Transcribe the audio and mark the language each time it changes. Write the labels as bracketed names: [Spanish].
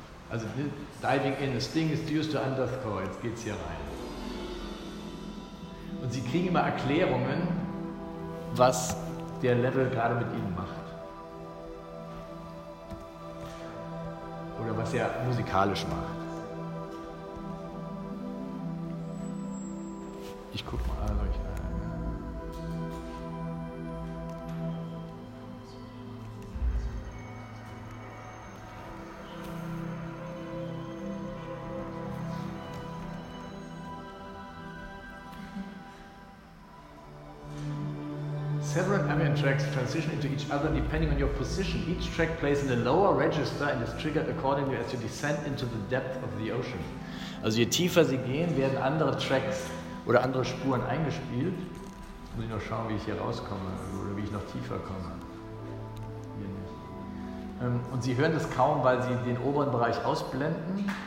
[English] Also, Diving in, this thing is used to underscore. [German] Jetzt geht's hier rein. Und Sie kriegen immer Erklärungen, was der Level gerade mit Ihnen macht. Oder was er musikalisch macht. Ich guck mal an euch. [English] Several ambient tracks transition into each other depending on your position. Each track plays in a lower register and is triggered accordingly as you descend into the depth of the ocean. [German] Also je tiefer Sie gehen, werden andere Tracks oder andere Spuren eingespielt. Jetzt muss ich noch schauen, wie ich hier rauskomme oder wie ich noch tiefer komme. Hier nicht. Und Sie hören das kaum, weil Sie den oberen Bereich ausblenden.